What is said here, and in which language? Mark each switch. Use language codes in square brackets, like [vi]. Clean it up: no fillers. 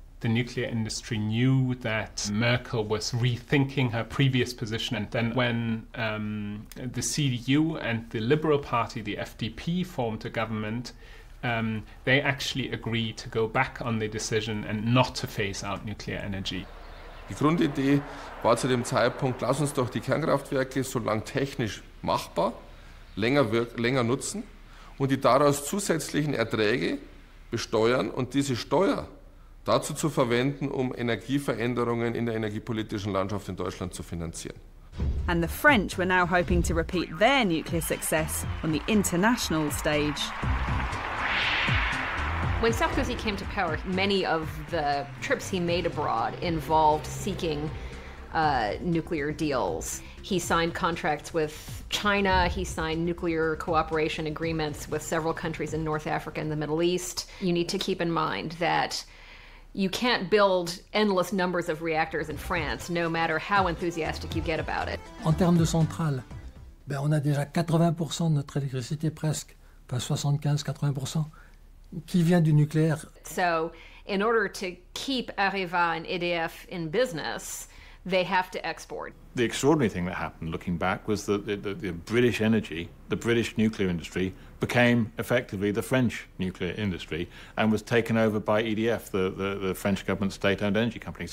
[en] The nuclear industry knew that Merkel was rethinking her previous position. And then when the CDU and the Liberal Party, the FDP, formed a government, they actually agreed to go back on the decision and not to phase out nuclear energy. [de] Die Grundidee war zu dem Zeitpunkt, lass uns doch die Kernkraftwerke, solange technisch machbar, länger nutzen. Und die daraus zusätzlichen Erträge besteuern und diese Steuer dazu zu verwenden, um Energieveränderungen in der energiepolitischen Landschaft in Deutschland zu finanzieren. [en] And the French were now hoping to repeat their nuclear success on the international stage. When Sarkozy came to power, many of the trips he made abroad involved seeking nuclear deals. He signed contracts with China, he signed nuclear cooperation agreements with several countries in North Africa and the Middle East. You need to keep in mind that you can't build endless numbers of reactors in France, no matter how enthusiastic you get about it. [fr] En termes de centrales, ben on a déjà 80% de notre électricité presque, pas 75-80%, qui vient du nucléaire. [en] So, in order to keep Areva and EDF in business, they have to export. The extraordinary thing that happened, looking back, was that the British energy, the British nuclear industry, became effectively the French nuclear industry and was taken over by EDF, the French government state-owned energy company.